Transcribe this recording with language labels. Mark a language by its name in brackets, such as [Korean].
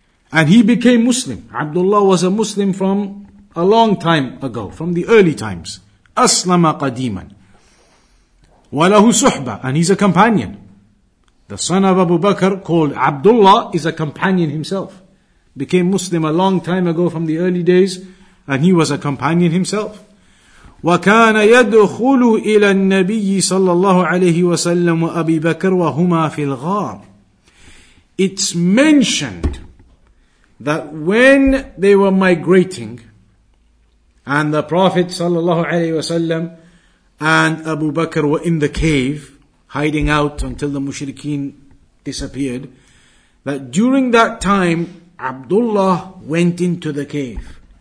[English] And he became Muslim. Abdullah was a Muslim from a long time ago, from the early times. [Arabic] Aslama qadiman. Walahu suhba. [English] And he's a companion. The son of Abu Bakr, called Abdullah, is a companion himself. Became Muslim a long time ago from the early days. And he was a companion himself. [Arabic] وكان يدخل إلى النبي صلى الله عليه وسلم وأبي بكر وهما في الغار. [English] It's mentioned that when they were migrating, and the Prophet صلى الله عليه وسلم and Abu Bakr were in the cave, hiding out until the mushrikeen disappeared, that during that time, Abdullah went into the cave.